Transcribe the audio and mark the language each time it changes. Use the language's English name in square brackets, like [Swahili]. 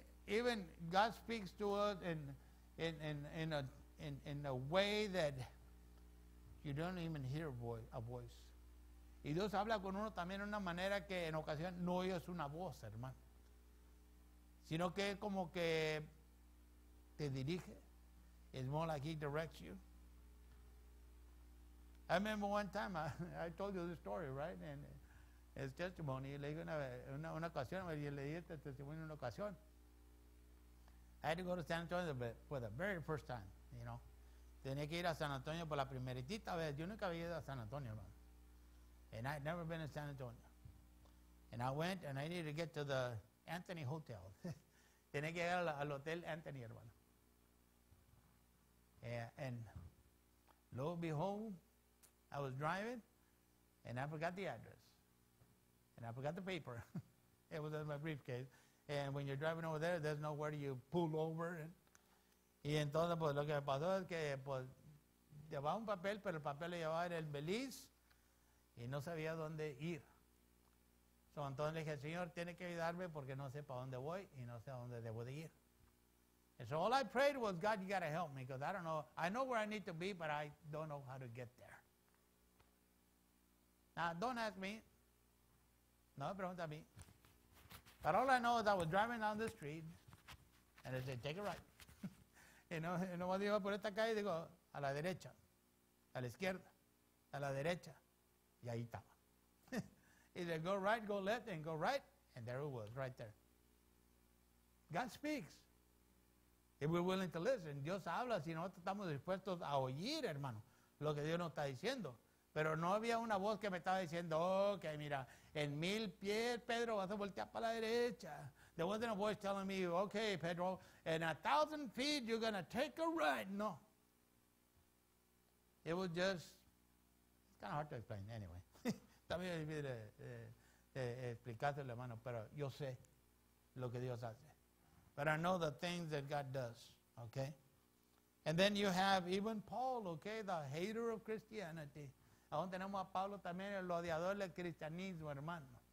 [English] Even God speaks to us in a way that you don't even hear a voice. [Spanish] Y Dios habla con uno también de una manera que en ocasión no oyes una voz, hermano. Sino que es como que te dirige. [English] It's more like he directs you. I remember one time, I told you this story, right? And [Spanish] el testimonio. Y le dije una ocasión, y le di este testimonio en una ocasión. [English] I had to go to San Antonio for the very first time, you know. [Spanish] Tenía que ir a San Antonio por la primeritita vez. Yo nunca había ido a San Antonio, hermano. [English] And I'd never been to San Antonio. And I went, and I needed to get to the Anthony Hotel. [Spanish] Tenía que ir al Hotel Anthony, hermano. [English] And lo and behold, I was driving, and I forgot the address. And I forgot the paper. It was in my briefcase. And when you're driving over there, there's nowhere you pull over. [Spanish] Y entonces, pues, lo que pasó es que, pues, llevaba un papel, pero el papel lo llevaba en el Belize, y no sabía dónde ir. So, entonces le dije, Señor, tiene que ayudarme porque no sé para dónde voy y no sé a dónde debo de ir. [English] And so all I prayed was, God, you got to help me because I don't know. I know where I need to be, but I don't know how to get there. Now, don't ask me. [Spanish] No me pregunta a mí. [English] But all I know is I was driving down the street and I said, take a right. [Spanish] No me iba por esta calle, digo, a la derecha, a la izquierda, a la derecha. Y ahí estaba. [English] He said, go right, go left, and go right. And there it was, right there. God speaks. If we're willing to listen, [Spanish] Dios habla si nosotros estamos dispuestos a oír, hermano, lo que Dios nos está diciendo. Pero no había una voz que me estaba diciendo, ok, mira, en 1,000 pies, Pedro, vas a voltear para la derecha. [English] There wasn't a voice telling me, okay, Pedro, in 1,000 feet, you're going to take a right. No. It was just, it's kind of hard to explain, anyway. [Spanish] También es difícil explicárselo, hermano, pero yo sé lo que Dios hace. [English] But I know the things that God does, okay? And then you have even Paul, okay, the hater of Christianity. [Spanish] Aún tenemos a Pablo también, el odiador del cristianismo, hermano.